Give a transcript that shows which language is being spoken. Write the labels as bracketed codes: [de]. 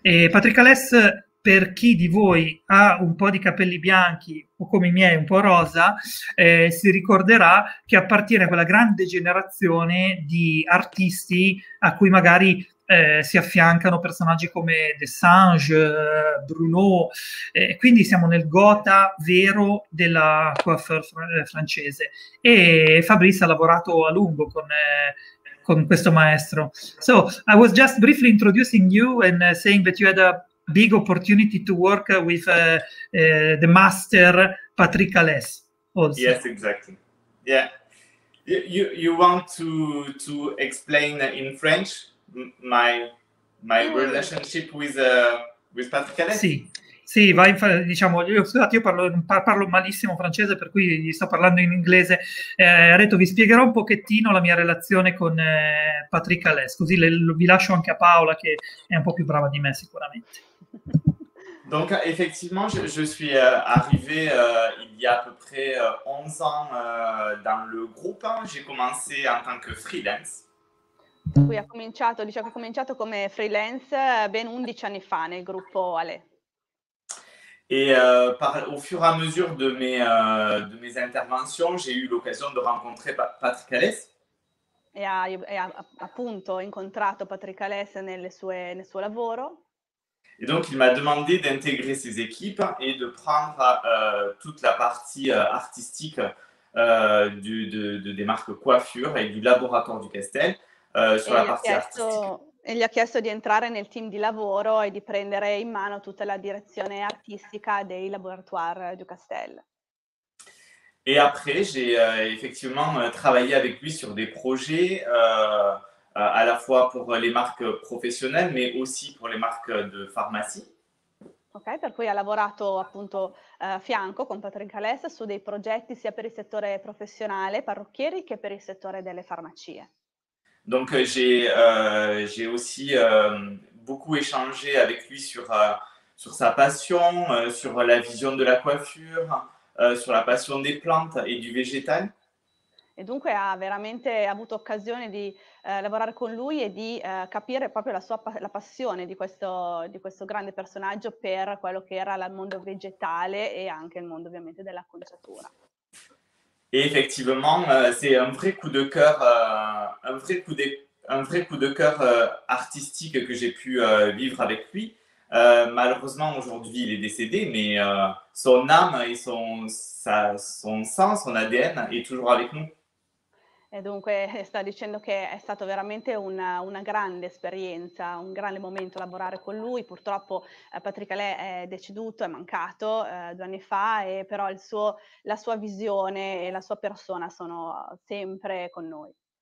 [it] E Patrick Alès, per chi di voi ha un po' di capelli bianchi o come i miei un po' rosa, si ricorderà che appartiene a quella grande generazione di artisti a cui magari si affiancano personaggi come Desange, Bruno, quindi siamo nel gotha vero della coiffeur francese. E Fabrice ha lavorato a lungo con questo maestro. [en] So, I was just briefly introducing you and saying that you had a big opportunity to work with the master Patrick Alès. Yes, exactly. Yeah. You want to explain in French my relationship with Patrick Alès? Sì. [it] Sì, io parlo malissimo francese, per cui gli sto parlando in inglese. Ha detto, vi spiegherò un pochettino la mia relazione con Patrick Alès, così vi lascio anche a Paola, che è un po' più brava di me sicuramente. [fr] Donc, effectivement, je suis arrivé il y a à peu près 11 ans dans le groupe. J'ai commencé en tant que freelance. [it] Lui ha cominciato, diciamo, ha cominciato come freelance ben 11 anni fa nel gruppo Alès. [fr] Et au fur et à mesure de mes interventions, j'ai eu l'occasion de rencontrer Patrick Alès. [it] E ha appunto incontrato Patrick Alès nel suo lavoro. [fr] Et donc il m'a demandé d'intégrer ses équipes et de prendre toute la partie artistique des marques coiffure et du laboratoire du Castel sur la partie artistique. [it] E gli ha chiesto di entrare nel team di lavoro e di prendere in mano tutta la direzione artistica dei Laboratoires du Castel. [fr] E après j'ai effectivement travaillé avec lui sur des projets à la fois pour les marques professionnelles mais aussi pour les marques de pharmacie. [it] Ok, per cui ha lavorato appunto fianco con Patrick Alès su dei progetti sia per il settore professionale parrucchieri che per il settore delle farmacie. [fr] Donc j'ai aussi beaucoup échangé avec lui sur sa passion, sur la vision de la coiffure, sur la passion des plantes et du végétal. [it] E dunque ha veramente avuto occasione di lavorare con lui e di capire proprio la passione di questo grande personaggio per quello che era il mondo vegetale e anche il mondo ovviamente della conciatura. [fr] Et effectivement, c'est un vrai coup de cœur, artistique que j'ai pu vivre avec lui. Malheureusement, aujourd'hui, il est décédé, mais son âme et son sang, son ADN est toujours avec nous. [it] E dunque sta dicendo che è stato veramente una grande esperienza, un grande momento lavorare con lui. Purtroppo Patrick Alès è deceduto, è mancato 2 anni fa, e però la sua visione e la sua persona sono sempre con noi.